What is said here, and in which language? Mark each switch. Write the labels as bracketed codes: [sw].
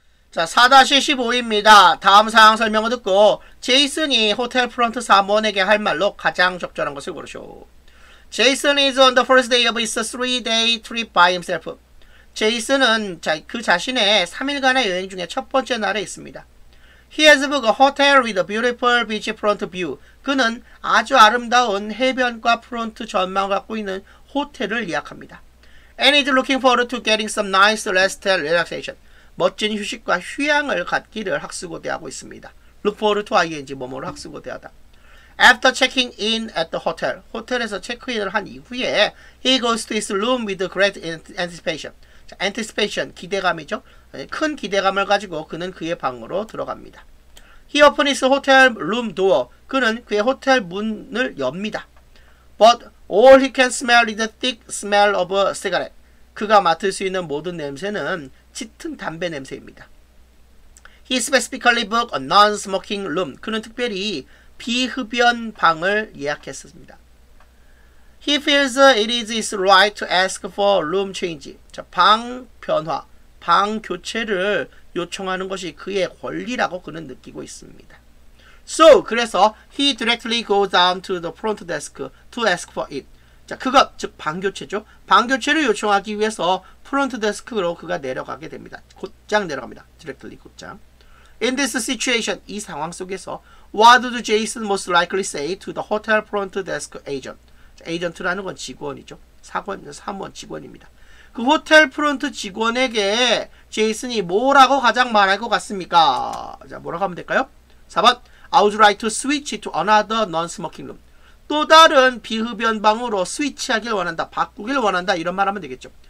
[ko] 자, 4-15입니다. 다음 상황 설명을 듣고 제이슨이 호텔 프런트 사무원에게 할 말로 가장 적절한 것을 고르쇼. [en] Jason is on the first day of his three-day trip by himself. [ko] 제이슨은 그 자신의 3일간의 여행 중에 첫 번째 날에 있습니다. [en] He has booked a hotel with a beautiful beachfront view. [ko] 그는 아주 아름다운 해변과 프론트 전망을 갖고 있는 호텔을 예약합니다. [en] And is looking forward to getting some nice rest and relaxation. [ko] 멋진 휴식과 휴양을 갖기를 학수고대하고 있습니다. [en] Look forward to ING, [ko] 뭐뭐를 학수고대하다. [en] After checking in at the hotel, [ko] 호텔에서 체크인을 한 이후에 [en] he goes to his room with great anticipation. [ko] 자, anticipation, 기대감이죠. 큰 기대감을 가지고 그는 그의 방으로 들어갑니다. [en] He opens his hotel room door. [ko] 그는 그의 호텔 문을 엽니다. [en] But all he can smell is the thick smell of a cigarette. [ko] 그가 맡을 수 있는 모든 냄새는 짙은 담배 냄새입니다. [en] He specifically booked a non-smoking room. [ko] 그는 특별히 비흡연 방을 예약했습니다. [en] He feels it is his right to ask for room change. [ko] 자, 방 변화, 방 교체를 요청하는 것이 그의 권리라고 그는 느끼고 있습니다. [en] So, [ko] 그래서 [en] he directly goes down to the front desk to ask for it. [ko] 자, 그것, 즉 방 교체죠. 방 교체를 요청하기 위해서 front desk로 그가 내려가게 됩니다. 곧장 내려갑니다. Directly, 곧장. [en] In this situation, [ko] 이 상황 속에서 [en] What would Jason most likely say to the hotel front desk agent? [ko] 자, 에이전트라는 건 직원이죠. 사무원 직원입니다. 그 호텔 프론트 직원에게 제이슨이 뭐라고 가장 말할 것 같습니까? 자, 뭐라고 하면 될까요? 4번, [en] I would like to switch to another non-smoking room. [ko] 또 다른 비흡연 방으로 스위치하길 원한다, 바꾸길 원한다, 이런 말 하면 되겠죠.